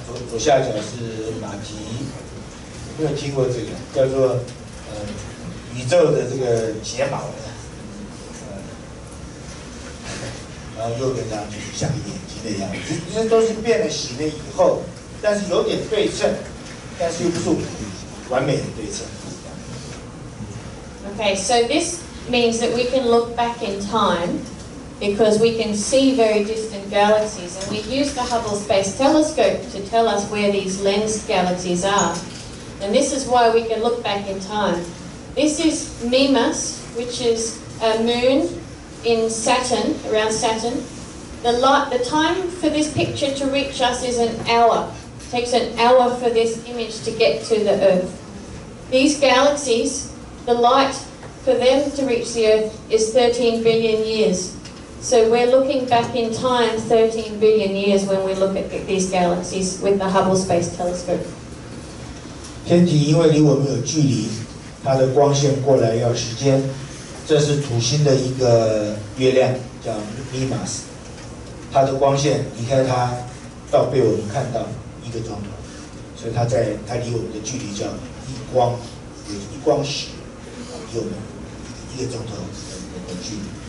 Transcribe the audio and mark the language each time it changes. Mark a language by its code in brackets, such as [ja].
[zh] 左下角是马吉，没有听过这个，叫做宇宙的这个解码的，然后右边这样就是像眼睛的样子，这都是变了形了以后，但是有点对称，但是又不是完美的对称。 [en] Okay, so this means that we can look back in time. Because we can see very distant galaxies, and we use the Hubble Space Telescope to tell us where these lensed galaxies are. And this is why we can look back in time. This is Mimas, which is a moon in Saturn, around Saturn. The time for this picture to reach us is an hour. It takes an hour for this image to get to the Earth. These galaxies, the light for them to reach the Earth is 13 billion years. So we're looking back in time 13 billion years when we look at these galaxies with the Hubble Space Telescope. [zh] 天体因为离我们有距离，它的光线过来要时间。这是土星的一个月亮，叫 Mimas。它的光线离开它，到被我们看到一个钟头，所以它离我们的距离叫一光，有一光时，离我们一个钟头的距离。